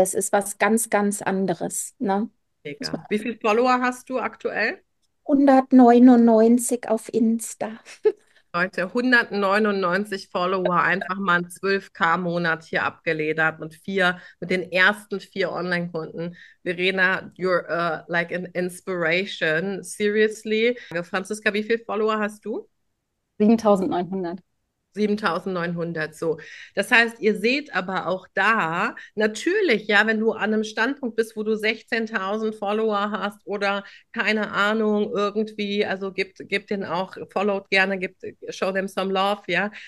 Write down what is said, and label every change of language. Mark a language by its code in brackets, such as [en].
[de] Es ist was ganz, ganz anderes, ne? Muss man Mega. Wie viele Follower hast du aktuell? 199 auf Insta. Leute, 199 Follower, einfach mal einen 12K-Monat hier abgeledert und vier mit den ersten 4 Online-Kunden. [en] Verena, you're like an inspiration. Seriously. [de] Franziska, wie viele Follower hast du? 7.900. 7.900, so. Das heißt, ihr seht aber auch da, natürlich, ja, wenn du an einem Standpunkt bist, wo du 16.000 Follower hast oder keine Ahnung, irgendwie, also gib denen auch, followt gerne, [en] show them some love, [de] ja.